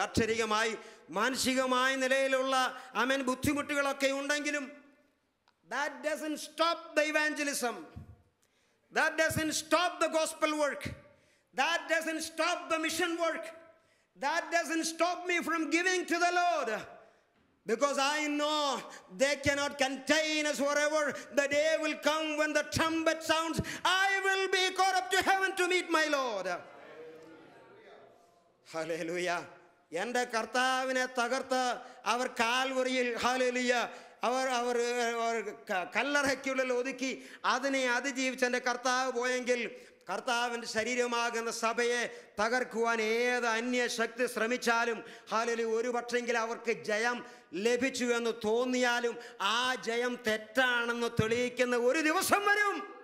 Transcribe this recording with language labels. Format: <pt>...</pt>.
<ml>അക്ഷരികമായി മാനസികമായ നിലയിലുള്ള അമേൻ ബുദ്ധിമുട്ടുകളൊക്കെ ഉണ്ടെങ്കിലും</ml> <en>That doesn't stop the evangelism, that doesn't stop the gospel work, that doesn't stop the mission work, that doesn't stop me from giving to the lord. Because I know they cannot contain us forever. The day will come when the trumpet sounds, I will be caught up to heaven to meet my Lord. Hallelujah.</en> <ml>എന്റെ കർത്താവിനെ തകർത്ത് അവർ കാൽവറിയിൽ, Hallelujah, അവർ കല്ലറയ്ക്കുള്ളിൽ ഒതുക്കി അതിനെ അതിജീവിച്ച് എൻ്റെ കർത്താവ് പോയെങ്കിൽ കർത്താവിൻ്റെ ശരീരമാകുന്ന സഭയെ തകർക്കുവാൻ ഏത് അന്യശക്തി ശ്രമിച്ചാലും, ഹാലലി, ഒരുപക്ഷെങ്കിൽ അവർക്ക് ജയം ലഭിച്ചു എന്ന് തോന്നിയാലും ആ ജയം തെറ്റാണെന്ന് തെളിയിക്കുന്ന ഒരു ദിവസം വരും.</ml>